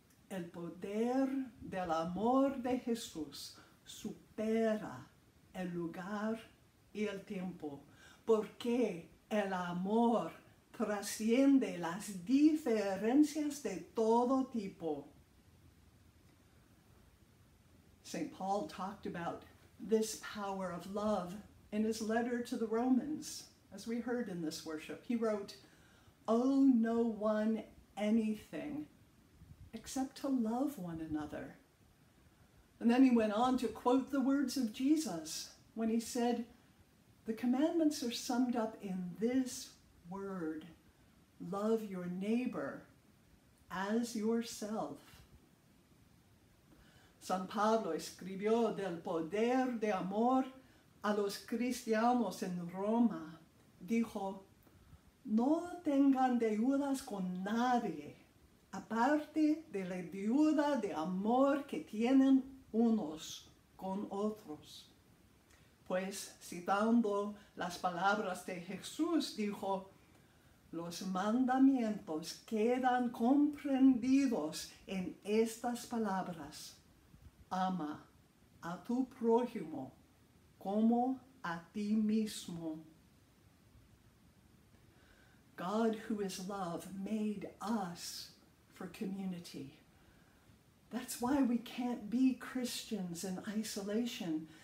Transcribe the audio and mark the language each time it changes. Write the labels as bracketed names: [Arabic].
[Spanish] El poder del amor de Jesús supera el lugar y el tiempo, porque el amor trasciende las diferencias de todo tipo. [English] St. Paul talked about this power of love in his letter to the Romans, as we heard in this worship. He wrote, "Owe no one anything except to love one another." And then he went on to quote the words of Jesus when he said, "The commandments are summed up in this word, love your neighbor as yourself." [Spanish] San Pablo escribió del poder de amor a los cristianos en Roma. Dijo, "No tengan deudas con nadie, aparte de la deuda de amor que tienen unos con otros." Pues, citando las palabras de Jesús, dijo, "Los mandamientos quedan comprendidos en estas palabras: ama a tu prójimo como a ti mismo." [English] God, who is love, made us for community. That's why we can't be Christians in isolation.